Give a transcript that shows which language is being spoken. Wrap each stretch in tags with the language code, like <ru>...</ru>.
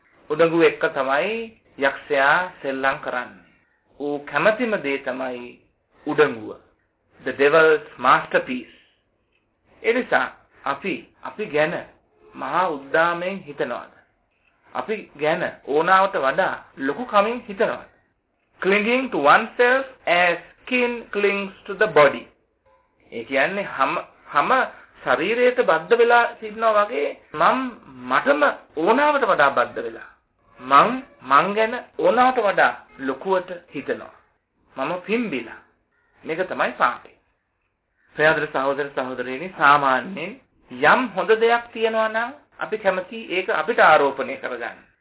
<si>උඩඟුව එක්ක තමයි යක්ෂයා සෙල්ලම් කරන්නේ. ඌ කැමැතිම දේ තමයි උඩඟුව.</si> <en>The devil's masterpiece.</en> <si>එනිසා අපි ගැන මහා උද්දාමයෙන් හිතනවාද? අපි ගැන ඕනාවට වඩා ලොකු කමින් හිතනවාද?</si> <en>Clinging to oneself as skin clings to the body.</en> <si>ඒ කියන්නේ හැම ශරීරයට බද්ධ වෙලා ඉන්නවා වගේ මම මටම ඕනාවට වඩා බද්ධ වෙලා මං මං ගැන ඕනාවට වඩා ලොකුවට හිතනවා මම පිම්බිලා මේක තමයි පාපේ. ප්‍රයදර සහෝදර සහෝදරයනි, සාමාන්‍යයෙන් යම් හොඳ දෙයක් තියෙනවා නම් අපි කැමති ඒක අපිට ආරෝපණය කරගන්න.</si>